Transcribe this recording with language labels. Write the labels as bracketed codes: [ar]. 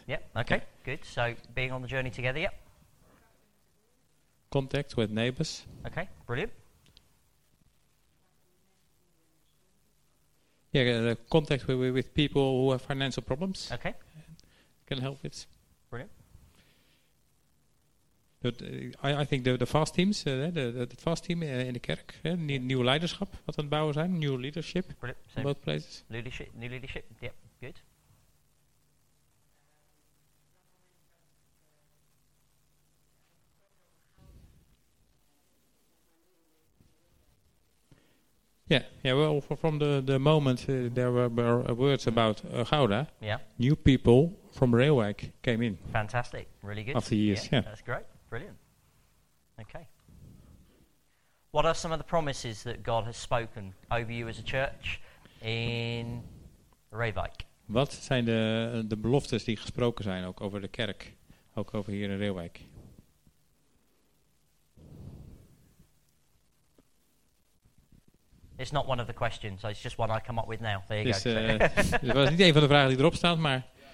[en] Yeah. Okay. Yeah. Good. So being on the journey together. Yeah. Contact with neighbors. Okay, brilliant. Yeah, contact with people who have financial problems. Okay. Can help with. Brilliant. But I think the fast teams, the fast team in the kerk, new [nl] leiderschap wat aan het bouwen zijn, [en] new leadership. Brilliant. In both places. New leadership, yep, good. Yeah. Well, from the moment there were words about Gouda, yeah, new people from Reeuwijk came in. Fantastic, really good. After years, yeah. That's great, brilliant. Okay. What are some of the promises that God has spoken over you as a church in Reeuwijk? [nl] Wat zijn de beloftes die gesproken zijn ook over de kerk, ook over hier in Reeuwijk? [en] It's not one of the questions, so it's just one I come up with now. There you go. [nl] Het was niet een van de vragen die erop staat, maar.